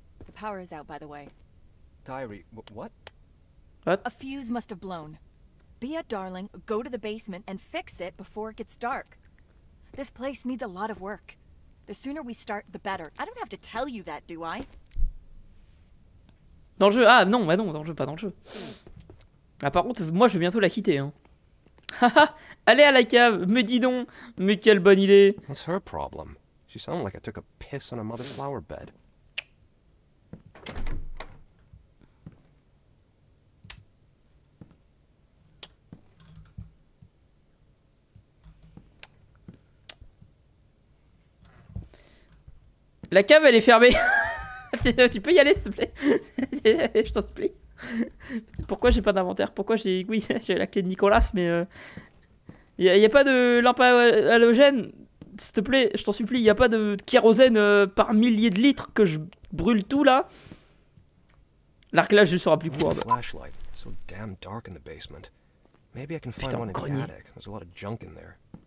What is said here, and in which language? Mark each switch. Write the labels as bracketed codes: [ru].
[en] The power is out, by the way. Diary... What? What? A fuse must have blown. Be a darling, go to the basement and fix it before it gets dark. This place needs a lot of work. The sooner we start, the better. I don't have to tell you that, do I? [fr] Dans le jeu. Ah non, bah non, dans le jeu, pas dans le jeu. Ah par contre, moi je vais bientôt la quitter. Hein. Allez à la cave, me dis donc, mais quelle bonne idée. [en] What's her problem? She sounded like I took a piss on a mother flower bed. [fr] La cave, elle est fermée. Tu peux y aller s'il te plaît. Je t'en supplie. Pourquoi j'ai pas d'inventaire? Pourquoi j'ai... Oui, j'ai la clé de Nicolas, mais... Y a pas de lampe halogène? S'il te plaît, je t'en supplie. Y a pas de kérosène par milliers de litres que je brûle tout, là? L'arc là, je serai plus court. [en] Flashlight. So damn dark in the basement. Maybe I can find one in the attic. There's a lot of junk in there.